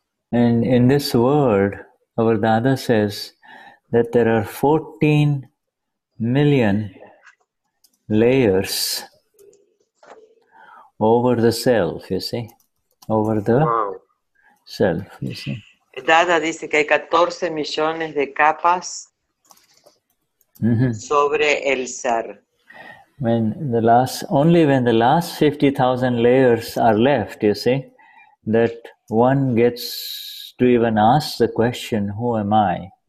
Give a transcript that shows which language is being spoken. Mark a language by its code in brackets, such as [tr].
[en] In this world, our Dada says that there are 14 million layers over the self, you see, over the self, you see. [es] Dada dice que hay 14 millones de capas sobre el ser. [en] When the last 50,000 layers are left, you see, that one gets to even ask the question, who am I?